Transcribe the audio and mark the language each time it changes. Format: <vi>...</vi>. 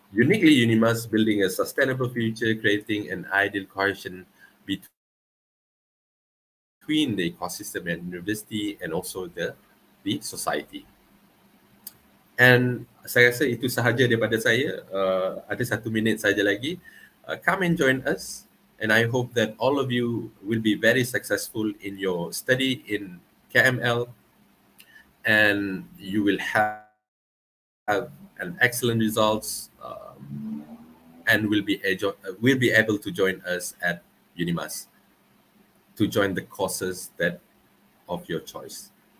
<en>Uniquely UNIMAS building a sustainable future, creating an ideal cohesion between the ecosystem and university and also the society.</en> <ms>And saya rasa itu sahaja daripada saya. Ada 1 minit sahaja lagi.</ms> <en>Come and join us. And I hope that all of you will be very successful in your study in KML. And you will have an excellent results. And will be able to join us at UNIMAS to join the courses that of your choice.</en>